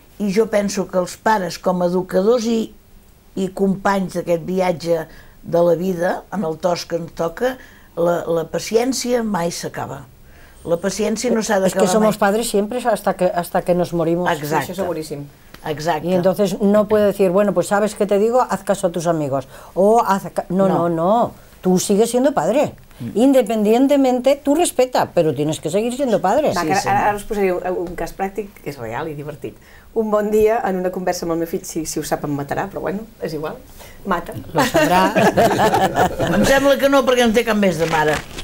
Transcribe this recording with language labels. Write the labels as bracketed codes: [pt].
[ca] I jo penso que els pares, com a educadors i companys d'aquest viatge de la vida, en el tos que ens toca, la paciència mai s'acaba. La paciència no s'ha d'acabar mai. És que som els pares sempre [es] hasta que nos morimos. [ca] Exacte. Això és seguríssim. [es] Exacto. Y entonces no puedo decir, bueno, pues sabes qué te digo, haz caso a tus amigos. O haz no. Tú sigues siendo padre. Independientemente, tú respeta, pero tienes que seguir siendo padre. [ca] Va, que ara us posaré un cas pràctic, que és real i divertit. Un bon dia, en una conversa amb el meu fill, si ho sap, em matarà, però bueno, és igual. Mata. Lo sabrà. Em sembla que no, perquè no té cap més de mare.